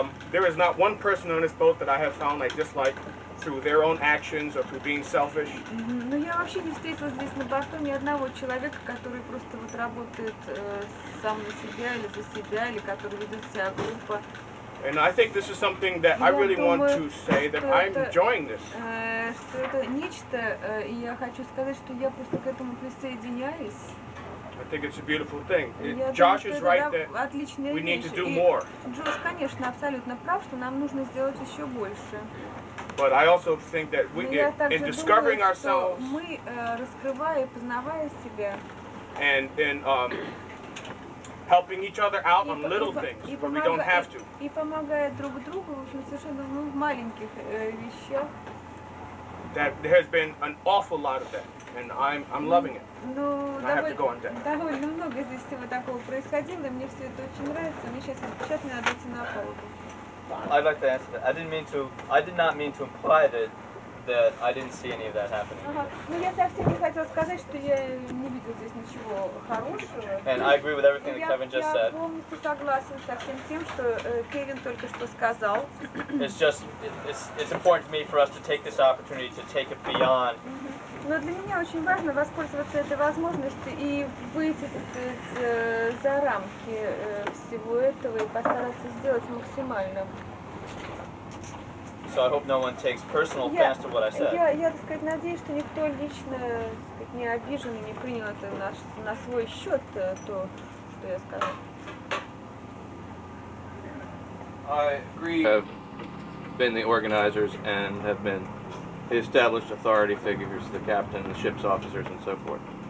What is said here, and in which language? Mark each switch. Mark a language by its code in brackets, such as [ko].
[en] There is not one person on this boat that I have found I dislike through their own actions or through being selfish. [ru] Ну я вообще не встретила здесь на борту ни одного человека, который просто вот работает сам на себя или за себя, или который ведет себя глупо. [en] And I think this is something that I really want to say that I'm enjoying this. [ru] Что это нечто, и я хочу сказать, что я просто к этому присоединяюсь. [en] I think it's a beautiful thing. Josh is right that we need to do more. [ru] Джош, конечно, абсолютно прав, что нам нужно сделать еще больше. [en] But I also think that we in discovering ourselves. [ru] Мы раскрывая, познавая себя. [en] And helping each other out on little things where we don't have to. [ru] И помогая друг другу, в общем, совершенно в маленьких вещах. [en] That there has been an awful lot of that, and I'm loving it. [ru] Ну, довольно много здесь всего такого происходило, мне все это очень нравится. Мне сейчас мне надо идти на палубу. [en] I'd like to answer that. I did not mean to imply that I didn't see any of that happening. [ru] Ну я совсем не хотел сказать, что я не видел здесь ничего хорошего. [en] And I agree with everything that Kevin just said. [ru] Я полностью согласен со всем тем, что Кевин только что сказал. [en] It's important to me for us to take this opportunity to take it beyond. [ru] Но для меня очень важно воспользоваться этой возможностью и выйти за рамки всего этого и постараться сделать максимально. [en] So I hope no one takes personal offense to what I said. [ru] Я так сказать, надеюсь, что никто лично не обижен и не принял это на свой счет то, что я сказал. [en] I agree. Have been the organizers and have been the established authority figures, the captain, the ship's officers, and so forth.